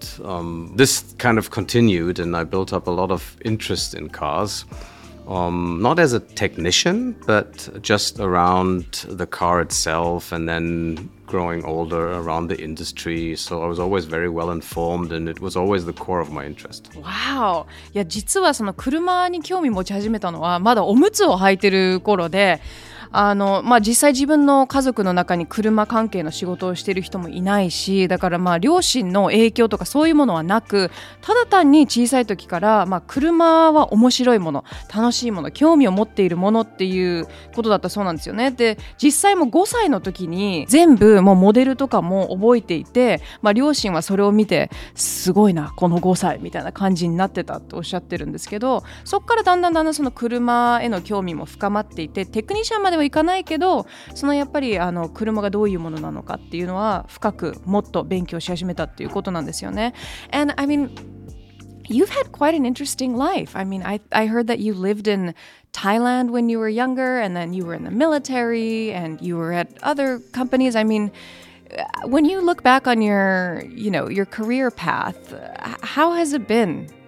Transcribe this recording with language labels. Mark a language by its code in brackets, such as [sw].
[en] And this kind of continued, and I built up a lot of interest in cars, not as a technician, but just around the car itself, and then growing older around the industry. So I was always very well informed, and it was always the core of my interest. Wow. [ja] Yeah, 実はその車に興味持ち始めたのはまだおむつを履いてる頃で、まあ、実際自分の家族の中に車関係の仕事をしている人もいないし、だからまあ両親の影響とかそういうものはなく、ただ単に小さい時からまあ車は面白いもの、楽しいもの、興味を持っているものっていうことだったそうなんですよね。で、実際も5歳の時に全部もうモデルとかも覚えていて、まあ、両親はそれを見てすごいなこの5歳みたいな感じになってたとおっしゃってるんですけど、そこからだんだんだんだんその車への興味も深まっていて、テクニシャンまでは行かないけど、そのやっぱり車がどういうものなのかっていうのは深くもっと勉強し始めたっていうことなんですよね。 [en] And I mean, you've had quite an interesting life. I mean, I heard that you lived in Thailand when you were younger, and then you were in the military, and you were at other companies. I mean, when you look back on your career path, how has it been?